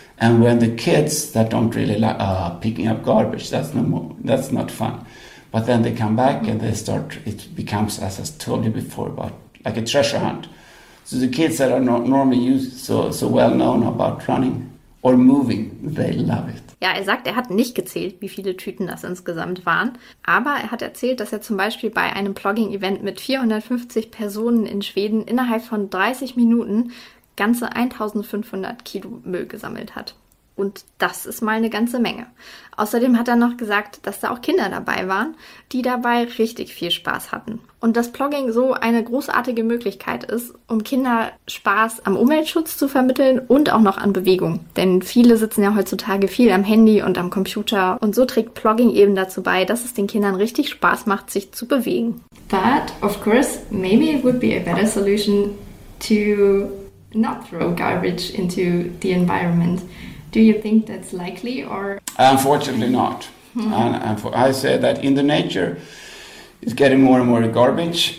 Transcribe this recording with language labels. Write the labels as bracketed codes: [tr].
[en] And when the kids that don't really like picking up garbage, that's not fun. But then they come back and they start, it becomes, as I told you before, about like a treasure hunt. So the kids that are not normally used, so well known about running or moving, they love it. [de] Ja, er sagt, er hat nicht gezählt, wie viele Tüten das insgesamt waren. Aber er hat erzählt, dass er zum Beispiel bei einem Plogging-Event mit 450 Personen in Schweden innerhalb von 30 Minuten ganze 1500 Kilo Müll gesammelt hat. Und das ist mal eine ganze Menge. Außerdem hat er noch gesagt, dass da auch Kinder dabei waren, die dabei richtig viel Spaß hatten. Und dass Plogging so eine großartige Möglichkeit ist, um Kinder Spaß am Umweltschutz zu vermitteln und auch noch an Bewegung. Denn viele sitzen ja heutzutage viel am Handy und am Computer. Und so trägt Plogging eben dazu bei, dass es den Kindern richtig Spaß macht, sich zu bewegen. [en] But, of course, maybe it would be a better solution to not throw garbage into the environment. Do you think that's likely or...? Unfortunately not. Mm-hmm. I say that in the nature, it's getting more and more garbage.